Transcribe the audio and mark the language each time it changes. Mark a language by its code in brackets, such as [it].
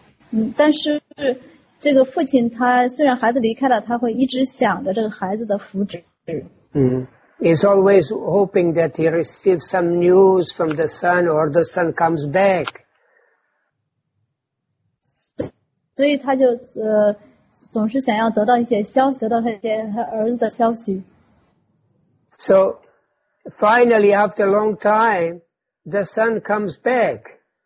[en] He's always hoping that he receives some news from the son or the son comes back. [zh] 所以他就总是想要得到一些消息，得到一些儿子的消息。 [en] So finally, after a long time, the son comes back.